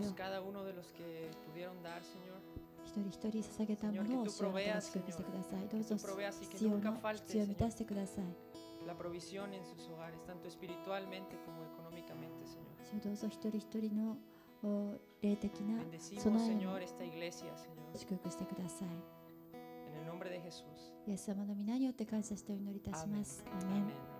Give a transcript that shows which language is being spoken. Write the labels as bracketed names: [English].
[Spanish] Bendecimos cada uno de los que pudieron dar, Señor. [Japanese] 一人一人捧げたものを主よ、祝福してください。どうぞ、必要な必要を満たしてください。 [Spanish] la provisión en sus hogares, tanto espiritualmente como económicamente, Señor. Bendecimos, Señor, esta iglesia, Señor. En el nombre de Jesús. Amén. Amén.